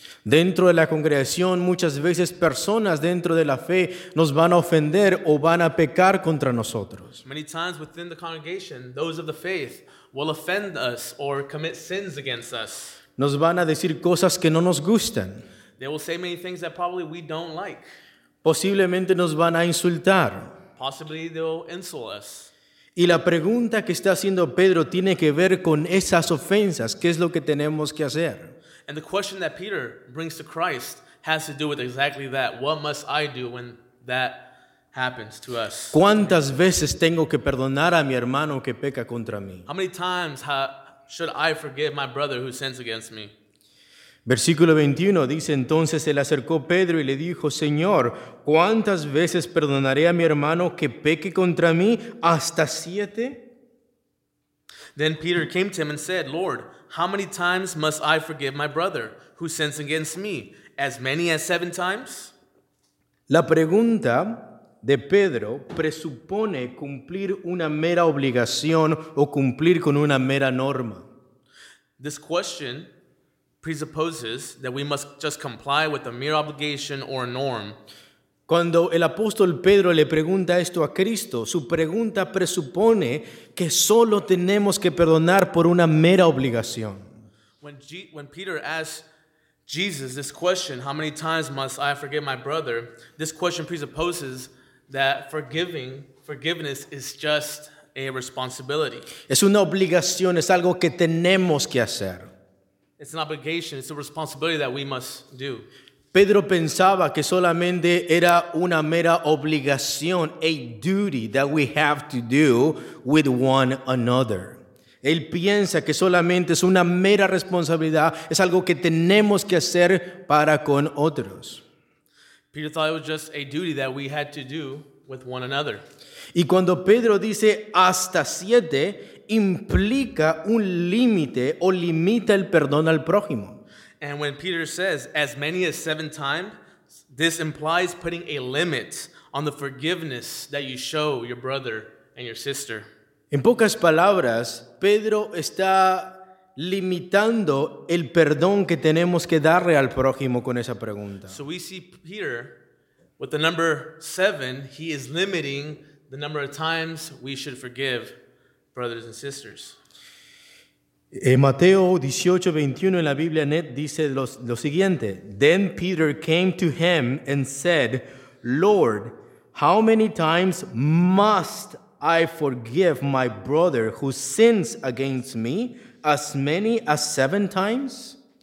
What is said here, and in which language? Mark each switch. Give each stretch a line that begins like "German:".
Spanish: Dentro de la congregación, muchas veces personas dentro de la fe nos van a ofender o van a pecar contra nosotros.
English: Many times within the congregation, those of the faith will offend us or commit sins against us.
Spanish: Nos van a decir cosas que no nos gustan.
English: They will say many things that probably we don't like.
Spanish: Posiblemente nos van a insultar.
English: Possibly they'll insult us.
Spanish: Y la pregunta que está haciendo Pedro tiene que ver con esas ofensas. ¿Qué es lo que tenemos que hacer?
English: And the question that Peter brings to Christ has to do with exactly that. What must I do when that happens to us?
Spanish: ¿Cuántas veces tengo que perdonar a mi hermano que peca contra mí?
English: How many times should I forgive my brother who sins against me?
Spanish: Versículo 21 dice, entonces se le acercó Pedro y le dijo, Señor, ¿cuántas veces perdonaré a mi hermano que peque contra mí? ¿Hasta siete?
English: Then Peter came to him and said, Lord, how many times must I forgive my brother who sins against me? As many as seven times?
Spanish: La pregunta de Pedro presupone cumplir una mera obligación o cumplir con una mera norma.
English: This question presupposes that we must just comply with a mere obligation or a norm.
Spanish: Cuando el apóstol Pedro le pregunta esto a Cristo, su pregunta presupone que solo tenemos que perdonar por una mera obligación.
English: When Peter asks Jesus this question, how many times must I forgive my brother? This question presupposes that forgiveness is just a responsibility.
Spanish: Es una obligación, es algo que tenemos que hacer.
English: It's an obligation, it's a responsibility that we must do.
Spanish: Pedro pensaba que solamente era una mera obligación,
English: a duty that we have to do with one another.
Spanish: Él piensa que solamente es una mera responsabilidad, es algo que tenemos que hacer para con otros.
English: Peter thought it was just a duty that we had to do with one another.
Spanish: Y cuando Pedro dice hasta siete, implica un límite o limita el perdón al prójimo.
English: And when Peter says as many as seven times, this implies putting a limit on the forgiveness that you show your brother and your sister.
Spanish: En pocas palabras, Pedro está limitando el perdón que tenemos que darle al prójimo con esa pregunta.
English: So we see Peter, with the number seven, he is limiting the number of times we should forgive brothers and sisters.
Spanish: En Mateo 18:21 en la Biblia Net dice lo siguiente.
English: Then Peter came to him and said, Lord, how many times must I forgive my brother who sins against me, as many as seven times?